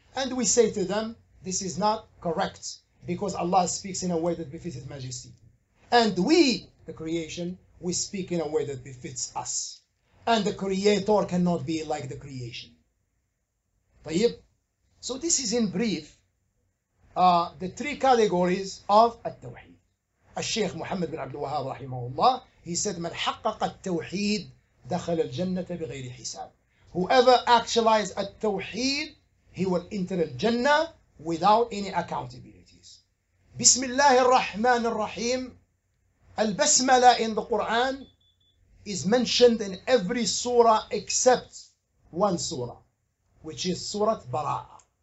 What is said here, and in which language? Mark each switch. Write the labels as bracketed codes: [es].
[en] And we say to them, this is not correct, because Allah speaks in a way that befits His majesty. And we, the creation, we speak in a way that befits us. And the creator cannot be like the creation. [ar] طيب. [en] So this is in brief the three categories of التوحيد. [ar] الشيخ محمد بن عبد الوهاب رحمه الله, [en] he said, [ar] من حقق التوحيد دخل الجنة بغير حساب. [en] Whoever actualized التوحيد, he will enter الجنة without any accountabilities. [ar] بسم الله الرحمن الرحيم. [en] Al-Basmala in the Quran is mentioned in every surah except one surah, which is Surah Bara'a.